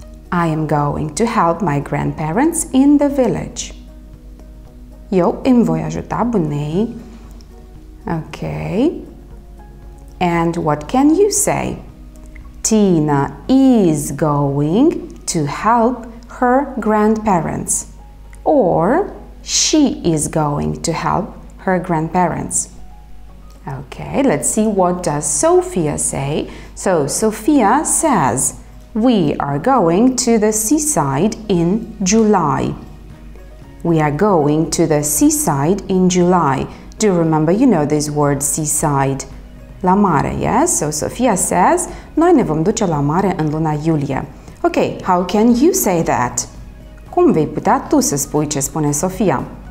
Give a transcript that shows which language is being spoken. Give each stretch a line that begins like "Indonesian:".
English: I am going to help my grandparents in the village.
Romanian: Eu îmi voi ajuta bunicii.
English: Okay. And what can you say? Tina is going to help her grandparents. Or she is going to help her grandparents. Okay, let's see what does Sophia say. So Sophia says, we are going to the seaside in July. We are going to the seaside in July. Do you remember, you know this word seaside?
Romanian: La mare, yes?
English: So Sofia says,
Romanian: noi ne vom duce la mare în luna iulie.
English: Okay, how can you say that?
Romanian: Cum vei putea tu să spui ce spune Sofia?